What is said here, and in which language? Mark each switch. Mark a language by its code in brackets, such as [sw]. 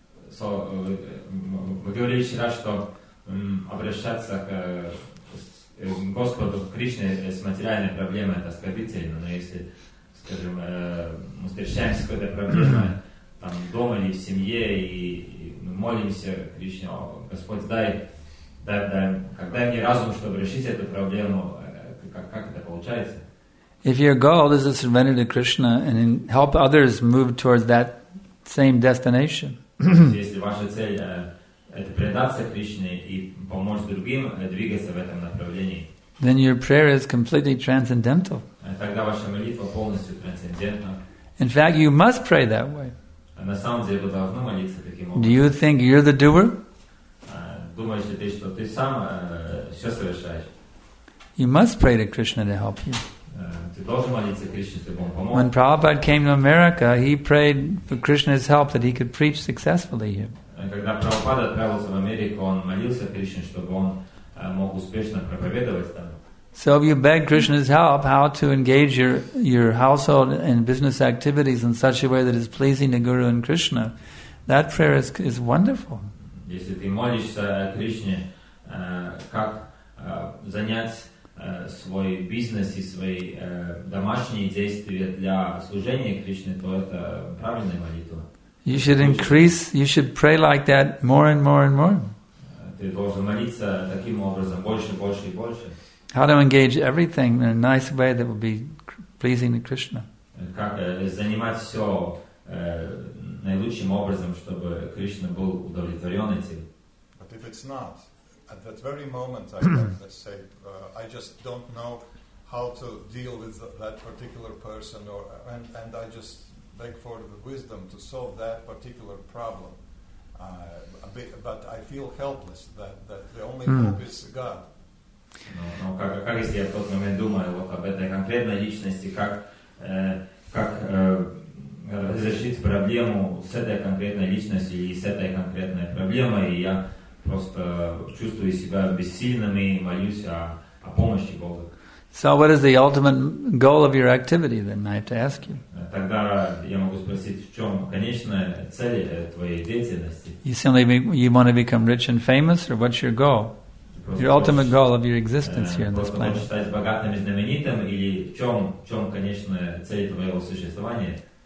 [ru] So, вы говорили вчера, что обращаться к Господу Кришне с материальной проблемой это оскорбительно, но если, скажем, мы встречаемся с какой-то проблемой там дома или в семье и мы молимся Кришне, Господь, дай мне разум, чтобы решить эту проблему, как это получается? [en] If your goal is to surrender to Krishna and help others move towards that same destination. [ru] Если ваша цель это предаться Кришне и помочь другим двигаться в этом направлении. [en] Then your prayer is completely transcendental. [ru] Тогда ваша молитва полностью трансцендентна. [en] In fact, you must pray that way. [ru] На самом деле вы должны молиться таким образом. [en] Do you think you're the doer? [ru] думаешь ты, что ты сам все совершаешь. [en] You must pray to Krishna to help you. [ru] Ты должен молиться Кришне, чтобы он помог. [en] When Prabhupada came to America, he prayed for Krishna's help that he could preach successfully here. [ru] Когда Прабхупада отправился в Америку, он молился Кришне, чтобы он мог успешно проповедовать там. [en] So if you beg Krishna's help, how to engage your household and business activities in such a way that is pleasing to Guru and Krishna, that prayer is wonderful. [ru] Если ты молишься Кришне, как занять свой бизнес и свои домашние действия для служения Кришне, то это правильная молитва. [en] You should increase, you should pray like that more and more and more. [ru] Ты должен молиться таким образом больше, больше и больше. [en] How to engage everything in a nice way that will be pleasing to Krishna. [ru] Как занимать все наилучшим образом, чтобы Кришна был удовлетворен этим. [en] But if it's not, at that very moment, I have to say, I just don't know how to deal with that particular person, or and I just beg for the wisdom to solve that particular problem. But I feel helpless. That the only hope is God. [ru] Но как если я в тот момент думаю вот об этой конкретной личности, как разрешить проблему с этой конкретной личностью и с этой конкретной проблемой, и я просто чувствую себя бессильным и молюсь о помощи Бога. [en] So what is the ultimate goal of your activity, then I have to ask you? [ru] Тогда я могу спросить, в чем конечная цель твоей деятельности? [en] You simply you want to become rich and famous, or what's your goal? Your ultimate goal of your existence here on this planet. [ru] Просто хочешь стать богатым и знаменитым, или в чем конечная цель твоего существования?